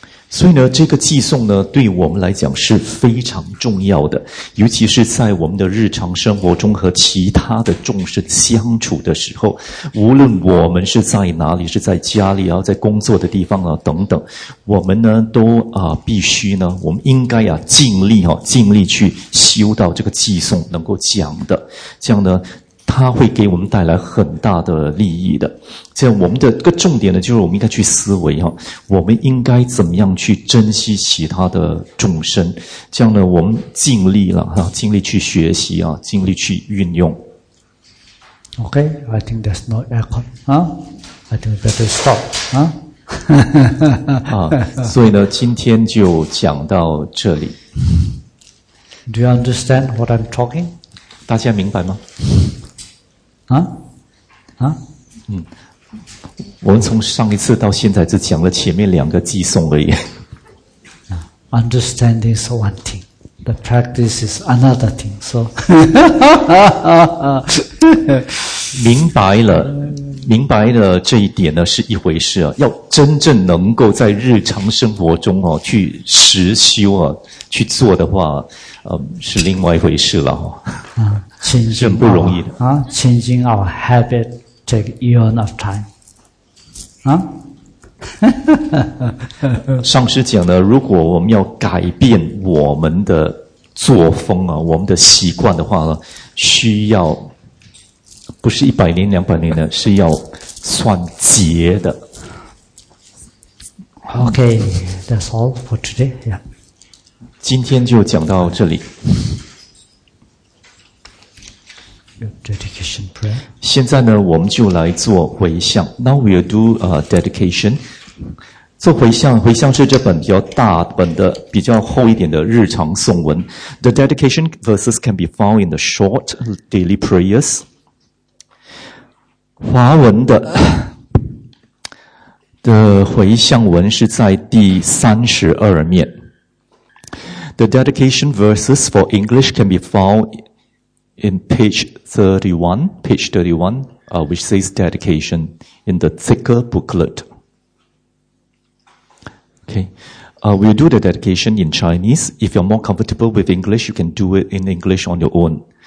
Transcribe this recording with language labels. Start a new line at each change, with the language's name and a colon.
Chinese: 所以呢，这个偈颂呢，对我们来讲是非常重要的，尤其是在我们的日常生活中和其他的众生相处的时候，无论我们是在哪里，是在家里啊，在工作的地方啊等等，我们呢都必须呢，我们应该啊尽力去修到这个偈颂能够讲的，这样呢，它会给我们带来很大的利益的。这样我们的个重点呢，就是我们应该去思维我们应该怎么样去珍惜其他的众生，这样呢我们尽力了尽力去学习尽力去运用。
English: OK, I think there's no echo, I think we better stop,
Chinese: 所以呢今天就讲到这里。
English: Do you understand what I'm talking?
Chinese: 大家明白吗？我们从上一次到现在只讲了前面两个偈颂而已。
English: Understanding is one thing, the practice is another thing. So,
Chinese: 明白了这一点呢是一回事要真正能够在日常生活中去实修去做的话是另外一回事了很不容易的。
English: Changing our habit take eon of time.
Chinese: 上师讲呢，如果我们要改变我们的作风我们的习惯的话呢，需要不是一百年两百年的，是要算劫的。
English: Okay, that's all for today. Yeah.
Chinese: 今天就讲到这里。
English: Dedication prayer.
Chinese: 现在呢，我们就来做回向。
English: Now we'll do dedication.
Chinese: 做回向，回向是这本比较大本的、比较厚一点的日常颂文。
English: The dedication verses can be found in the short daily prayers.
Chinese: 华文的回向文是在第32面。
English: The dedication verses for English can be found in page 31, which says dedication in the thicker booklet. Okay, we'll do the dedication in Chinese. If you're more comfortable with English, you can do it in English on your own.